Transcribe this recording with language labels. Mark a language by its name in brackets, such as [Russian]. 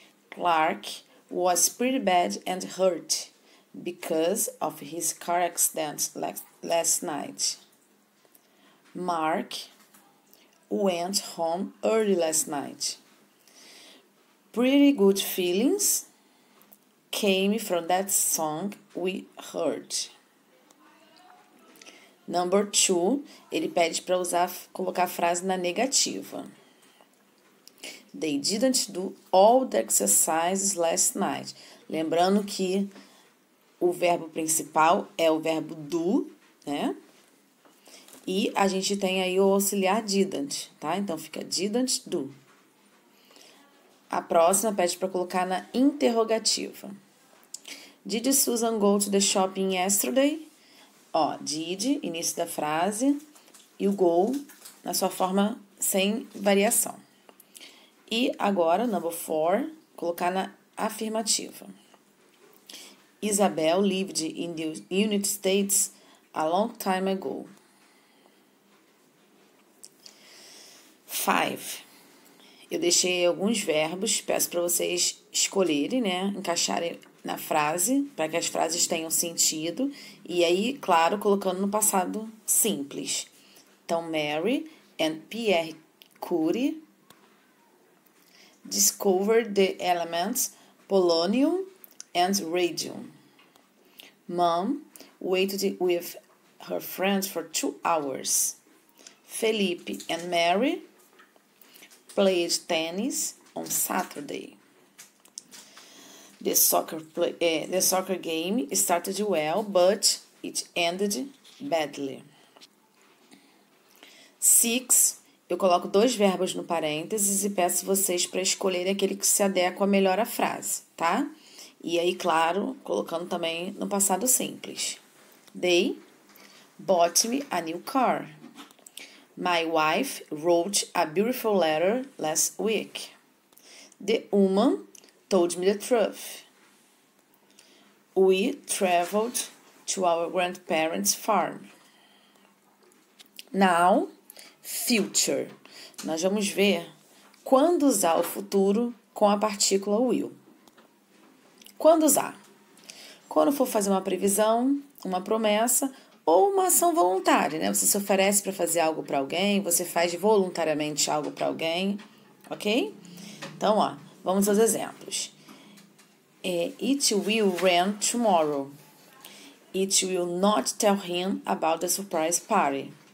[English] Clark was pretty bad and hurt because of his car accident last night. Mark went home early last night. Pretty good feelings came from that song we heard. Number two, [Portuguese] ele pede para usar, colocar a frase na negativa. [English] They didn't do all the exercises last night. [Portuguese] Lembrando que o verbo principal é o verbo do, né? E a gente tem aí o auxiliar didn't, tá? Então fica didn't do. A próxima pede para colocar na interrogativa. [English] Did Susan go to the shopping yesterday? [Portuguese] Ó, did, início da frase, e o go na sua forma sem variação. E agora, [English] number four, [Portuguese] colocar na afirmativa. [English] Isabel lived in the United States a long time ago. Five. [Portuguese] Eu deixei alguns verbos, peço para vocês escolherem, né, encaixarem na frase, para que as frases tenham sentido, e aí, claro, colocando no passado simples. Então, [English] Mary and Pierre Curie discovered the elements polonium and radium. Mom waited with her friends for 2 hours. Felipe and Mary played tennis on Saturday. The soccer game started well, but it ended badly. Six, [Portuguese] eu coloco dois verbos no parênteses e peço vocês para escolherem aquele que se adequa melhor à frase, tá? E aí, claro, colocando também no passado simples. [English] They bought me a new car. My wife wrote a beautiful letter last week. The woman told me the truth. We traveled to our grandparents' farm. Now, future. [Portuguese] Nós vamos ver quando usar o futuro com a partícula will. Quando usar? Quando for fazer uma previsão, uma promessa ou uma ação voluntária, né? Você se oferece para fazer algo para alguém, você faz voluntariamente algo para alguém, ok? Então, ó, vamos aos exemplos. [English] It will rain tomorrow. It will not tell him about the surprise party.